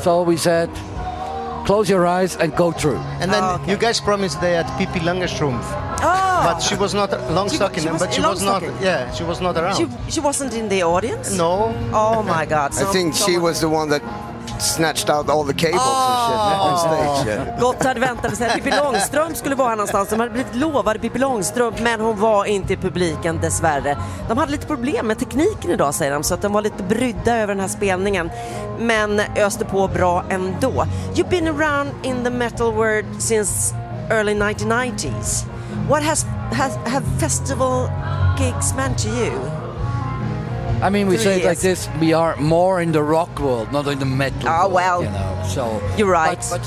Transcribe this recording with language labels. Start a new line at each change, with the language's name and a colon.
English: So we said, close your eyes and go through. And then you guys promised they had Pippi Langstrumpf. But she was not Longstocking, but she was not. Yeah, she was not around. She wasn't in the audience. No. Oh my God! So, I think she was the one that snatched out all the cables and shit.
Swedish: Gotthard väntade sig att Pippi Långstrump skulle vara någonstans. De hade blivit lovade Pippi Långstrump, men hon var inte i publiken dessvärre. De hade lite problem med tekniken idag, säger de, så att de var lite brydda över den här spelningen, men öste på bra ändå.
English: You've been around in the metal world since early 1990s. What have festival gigs meant to you? I mean, we say it like this, we are more in the rock world, not in the metal world. Oh, well, you know, so you're right.